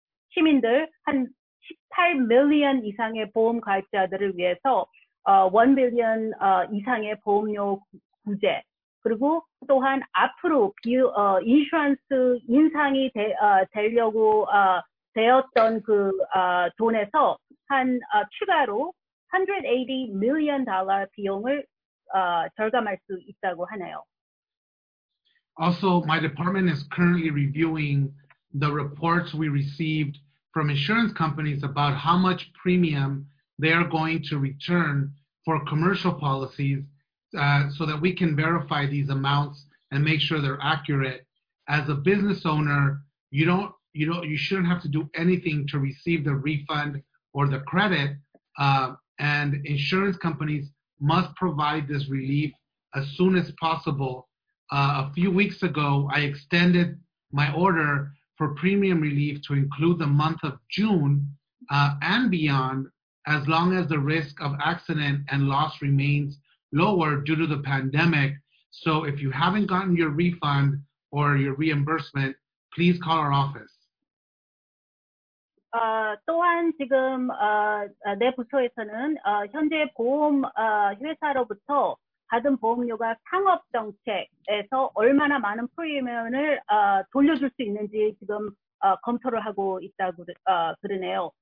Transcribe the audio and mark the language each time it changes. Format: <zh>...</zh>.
<ko>시민들 한 18 million 이상의 보험 가입자들을 위해서 1 billion 이상의 보험료 구제 그리고 또한 앞으로 인슈런스 인상이 되려고 되었던 돈에서 한 추가로 180 million dollar 비용을 절감할 수 있다고 하네요.</ko> <en>Also, my department is currently reviewing the reports we received from insurance companies about how much premium they are going to return for commercial policies so that we can verify these amounts and make sure they're accurate. As a business owner, you shouldn't have to do anything to receive the refund or the credit, and insurance companies must provide this relief as soon as possible. A few weeks ago, I extended my order for premium relief to include the month of June and beyond, as long as the risk of accident and loss remains lower due to the pandemic. So if you haven't gotten your refund or your reimbursement, please call our office.</en> <ko>또한 지금 내 부서에서는 현재 보험 회사로부터 받은 보험료가 상업 정책에서 얼마나 많은 프리미엄을 돌려줄 수 있는지 지금 검토를 하고 있다고 그러네요.</ko>